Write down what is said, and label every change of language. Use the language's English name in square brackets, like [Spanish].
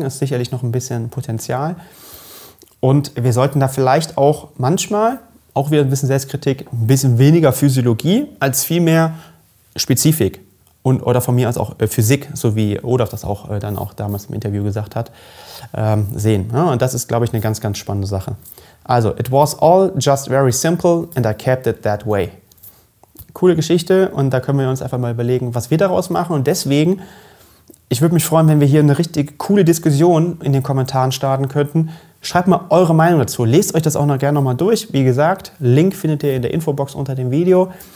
[German] Das ist sicherlich noch ein bisschen Potenzial. Und wir sollten da vielleicht auch manchmal auch wieder ein bisschen Selbstkritik, ein bisschen weniger Physiologie als vielmehr Spezifik. Und, oder von mir aus auch Physik, so wie Odaf das auch dann auch damals im Interview gesagt hat, sehen. Ja, und das ist, glaube ich, eine ganz, ganz spannende Sache. [English] Also, it was all just very simple and I kept it that way. [German] Coole Geschichte und da können wir uns einfach mal überlegen, was wir daraus machen. Und deswegen, ich würde mich freuen, wenn wir hier eine richtig coole Diskussion in den Kommentaren starten könnten. Schreibt mal eure Meinung dazu. Lest euch das auch noch gerne nochmal durch. Wie gesagt, Link findet ihr in der Infobox unter dem Video.